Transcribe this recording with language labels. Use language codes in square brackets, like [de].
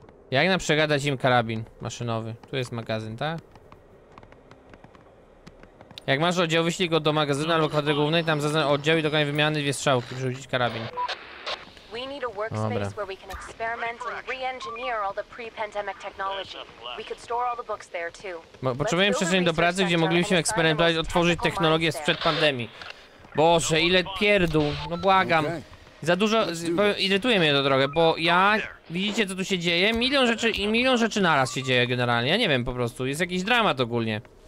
[pl] Jak na przegadać im karabin maszynowy. Tu jest magazyn, tak? Jak masz oddział, wyślij go do magazynu albo kwadry głównej. Tam zaznacz oddział i dokonaj wymiany dwie strzałki, żeby rzucić karabin. [en] We need a workspace where we can experiment and re-engineer all the pre-pandemic technology. We could store all the books there too. [pl] Potrzebujemy przestrzeni do pracy, gdzie moglibyśmy eksperymentować, otworzyć technologię sprzed pandemii. Boże, ile pierdół, no błagam. Za dużo, irytuje mnie to trochę, bo ja, widzicie co tu się dzieje, milion rzeczy i milion rzeczy naraz się dzieje generalnie. Ja nie wiem po prostu, jest jakiś dramat ogólnie.